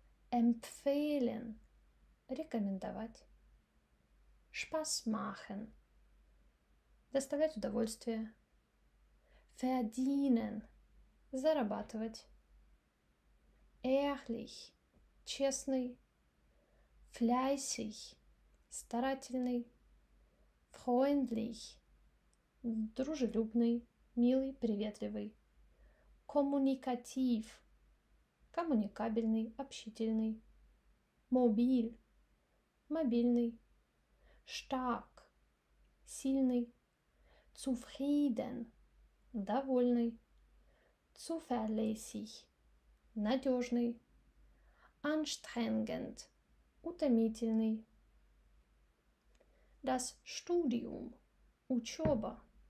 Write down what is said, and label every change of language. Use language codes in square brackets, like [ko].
[de] Empfehlen, рекомендовать. Spaß machen, [ru] доставлять удовольствие. [de] Verdienen, зарабатывать. Ehrlich, честный. Fleißig, старательный. [ru] Freundlich, дружелюбный, милый, приветливый. Kommunikativ, коммуникабельный, общительный. [de] Mobil, мобильный. Stark, сильный. Zufrieden, довольный. Zuverlässig, надежный. Anstrengend, утомительный. Das Studium, учеба.